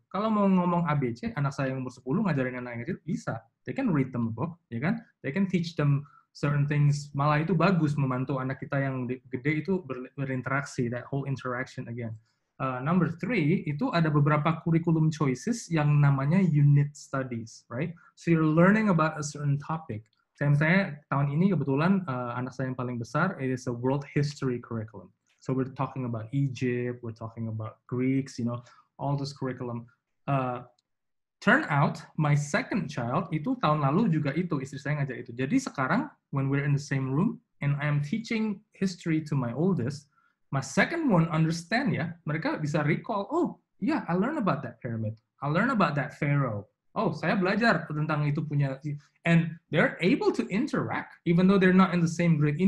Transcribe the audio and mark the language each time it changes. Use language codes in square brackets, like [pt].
[id] Kalau mau ngomong ABC, anak saya yang umur 10 ngajarin anak yang kecil bisa. [en] They can read them a book, ya kan? They can teach them certain things. [id] Malah itu bagus membantu anak kita yang gede itu berinteraksi, [en] that whole interaction again. Number three, [id] itu ada beberapa [en] curriculum choices yang namanya unit studies, right? So you're learning about a certain topic. [id] Saya tahun ini kebetulan anak saya yang paling besar, [en] it is a world history curriculum. So we're talking about Egypt, we're talking about Greeks, you know, all this curriculum. Turn out, my second child, [id] itu tahun lalu juga itu, istri saya ngajar itu. Jadi sekarang, [en] when we're in the same room, and I am teaching history to my oldest, my second one understand ya, [id] mereka bisa recall, [en] oh yeah, I learn about that pyramid, I learn about that pharaoh, [id] oh saya belajar tentang itu punya, [en] and they're able to interact even though they're not in the same grade.